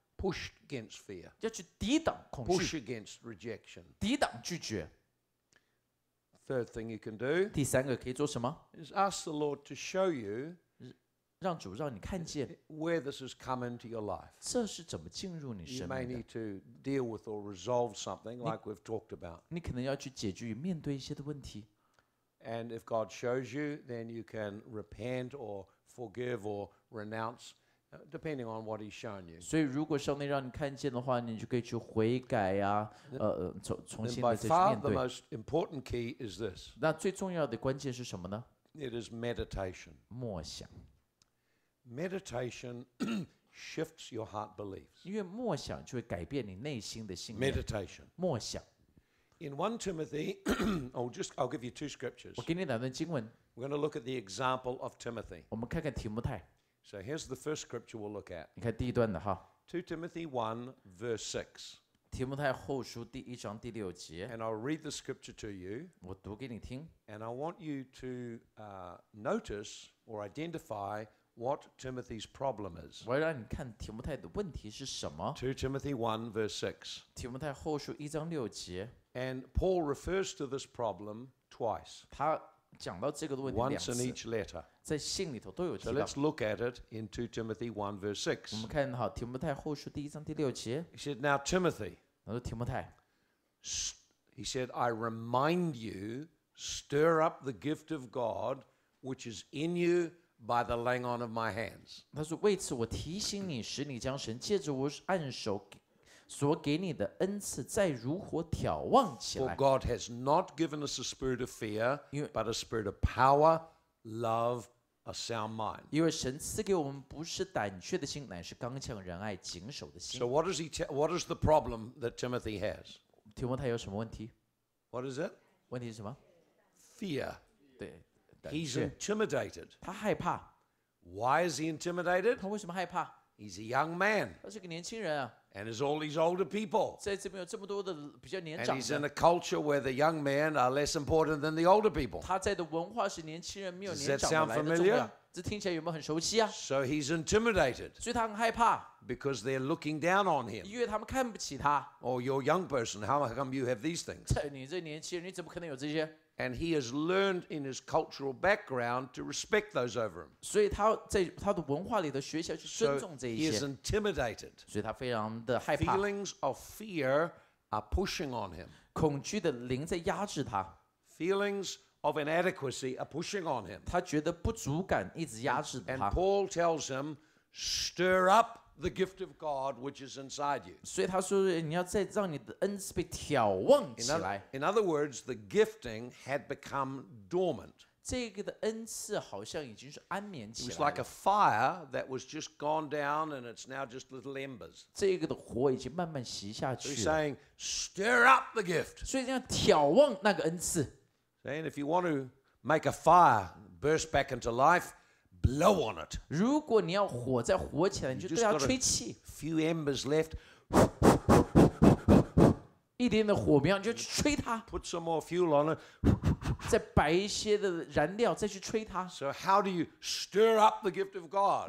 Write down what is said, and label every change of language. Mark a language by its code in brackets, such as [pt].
[en] Push against fear. [zh] 要去抵挡恐惧。 [en] Push against rejection. [zh] 抵挡拒绝。 [en] Third thing you can do. [zh] 第三个可以做什么？ [en] Is ask the Lord to show you. [zh] 让主让你看见。 [en] Where this has come into your life. [zh] 这是怎么进入你生命的？ [en] You may need to deal with or resolve something like we've talked about. [zh] 你可能要去解决与面对一些的问题。 [en] And if God shows you, then you can repent or forgive or renounce, depending on what He's shown you. [zh] 所以如果上帝让你看见的话，你就可以去悔改啊，重新的再去面对。 [en] By far the most important key is this. [zh] 那最重要的关键是什么呢？ [en] It is meditation. [zh] 默想。 [en] Meditation shifts your heart beliefs. [zh] 因为默想就会改变你内心的信念。 [en] Meditation. [zh] 默想。 [en] In 1 Timothy, I'll give you two scriptures. [zh] 我给你两段经文。 [en] We're going to look at the example of Timothy. [zh] 我们看看提摩太。 [en] So here's the first scripture we'll look at. [zh] 你看第一段的哈。 [en] 2 Timothy 1, verse 6. [zh] 提摩太后书第一章第六节。 [en] And I'll read the scripture to you. [zh] 我读给你听。 [en] And I want you to notice or identify what Timothy's problem is. [zh] 我要让你看提摩太的问题是什么。 [en] 2 Timothy 1 verse 6. [zh] 提摩太后书一章六节。 [en] And Paul refers to this problem twice. [zh] 他讲到这个问题两次。 [en] Once in each letter. [zh] 在信里头都有提到。 [en] So let's look at it in 2 Timothy 1 verse 6. [zh] 我们看好提摩太后书第一章第六节。 [en] He said, now Timothy. [zh] 他说提摩太。 [en] He said, I remind you, stir up the gift of God, which is in you by the laying on of my hands. [zh] 他说为此我提醒你，使你将神借着我按手所给你的恩赐再如火挑旺起来。 [en] For God has not given us a spirit of fear, but a spirit of power,Love a sound mind. [zh] 因为神赐给我们不是胆怯的心，乃是刚强仁爱谨守的心。 [en] So what is what is the problem that Timothy has? [zh] 提摩太有什么问题？ [en] What is it? [zh] 问题是什么？ [en] Fear. [zh] 对。 [en] He's intimidated. [zh] 他害怕。 [en] Why is he intimidated? [zh] 他为什么害怕？ [en] He's a young man. [zh] 他是个年轻人啊。 [en] And there's all these older people. [zh] 在这边有这么多的比较年长的。 [en] And he's in a culture where the young men are less important than the older people. [zh] 他在的文化是年轻人没有年长的来的重要。 [en] Does that sound familiar? [zh] 这听起来有没有很熟悉啊？ [en] So he's intimidated. [zh] 所以他很害怕。 [en] Because they're looking down on him. [zh] 因为他们看不起他。 [en] Oh, you're a young person. How come you have these things? [zh] 你这年轻人，你怎么可能有这些？ [en] And he has learned in his cultural background to respect those over him. [zh] 所以他在他的文化里的学习去尊重这一些。 [en] So he is intimidated. [zh] 所以他非常的害怕。 [en] Feelings of fear are pushing on him. [zh] 恐惧的灵在压制他。 [en] Feelings of inadequacy are pushing on him. [zh] 他觉得不足感一直压制他。 [en] And Paul tells him, stir up the gift of God which is inside you. [zh] 所以他说你要再让你的恩赐被挑旺起来。 [en] In other words, the gifting had become dormant. [zh] 这个的恩赐好像已经是安眠起来了。 [en] It was like a fire that was just gone down and it's now just little embers. [zh] 这个的火已经慢慢熄下去了。 [en] He's saying, stir up the gift. [zh] 所以要挑旺那个恩赐。 [en] And if you want to make a fire burst back into life,Blow on it. [zh] 如果你要火再火起来，你就对它吹气。 [en] Few embers left. [zh] 一点的火苗，你就去吹它。 [en] Put some more fuel on it. [zh] 再摆一些的燃料，再去吹它。 [en] So how do you stir up the gift of God?